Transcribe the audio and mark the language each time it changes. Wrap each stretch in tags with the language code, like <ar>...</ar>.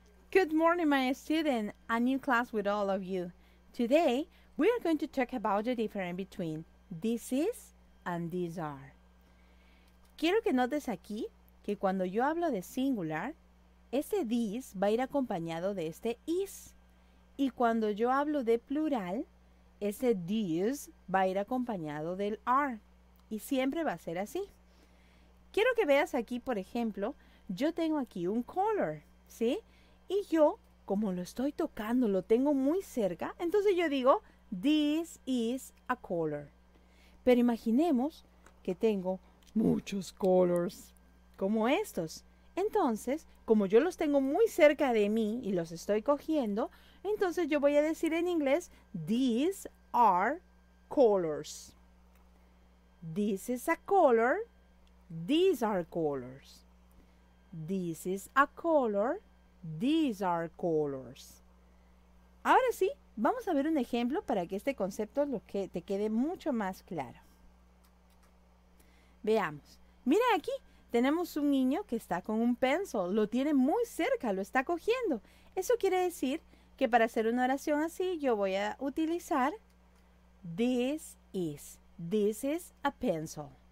<en>Good morning, my student. A new class with all of you. Today, we are going to talk about the difference between this is and these are.</en> <es>Quiero que notes aquí que cuando yo hablo de singular, este this va a ir acompañado de este is. Y cuando yo hablo de plural, ese these va a ir acompañado del are. Y siempre va a ser así. Quiero que veas aquí, por ejemplo, yo tengo aquí un color, ¿sí? Y yo, como lo estoy tocando, lo tengo muy cerca, entonces yo digo,</es> <en>this is a color.</en> <es>Pero imaginemos que tengo muchos colors, como estos. Entonces, como yo los tengo muy cerca de mí y los estoy cogiendo, entonces yo voy a decir en inglés,</es> <en>these are colors. This is a color, these are colors. This is a color, these are colors.</en> <es>Ahora sí, vamos a ver un ejemplo para que este concepto te quede mucho más claro. Veamos. Mira aquí, tenemos un niño que está con un pencil, lo tiene muy cerca, lo está cogiendo. Eso quiere decir que para hacer una oración así, yo voy a utilizar</es> <en>this is a pencil.</en>